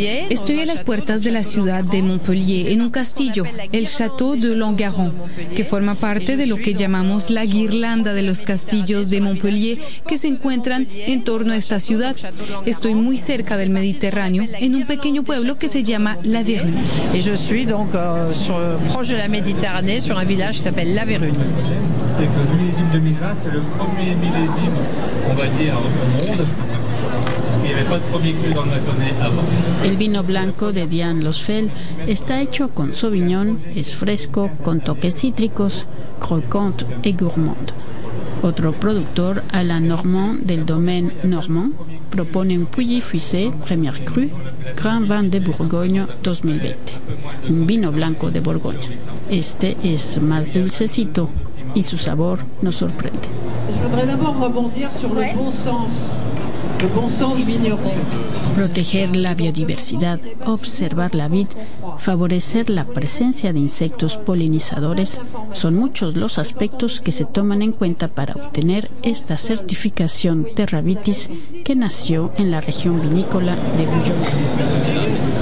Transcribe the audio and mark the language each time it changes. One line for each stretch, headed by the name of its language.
Spanish: Estoy a las puertas de la ciudad de Montpellier, en un castillo, el Château de Langaran, que forma parte de lo que llamamos la guirlanda de los castillos de Montpellier, que se encuentran en torno a esta ciudad. Estoy muy cerca del Mediterráneo, en un pequeño pueblo que se llama La Verune.
French: Et je suis donc proche de la Méditerranée, sur un village qui s'appelle La Verune. Le millésime 2020, c'est le premier millésime, on va dire, au monde.
Spanish: El vino blanco de Diane Losfeld está hecho con Sauvignon, es fresco, con toques cítricos,
French: croquante
Spanish: y gourmand. Otro productor, Alain Normand, del Domaine Normand, propone un Pouilly Fuissé, Premier Cru, Grand Vin de Bourgogne 2020. Un vino blanco de Borgoña. Este es más dulcecito y su sabor nos sorprende.
French: Je voudrais d'abord rebondir sur le bon sens.
Spanish: Proteger la biodiversidad, observar la vid, favorecer la presencia de insectos polinizadores, son muchos los aspectos que se toman en cuenta para obtener esta certificación Terra Vitis que nació en la región vinícola de Bouillon.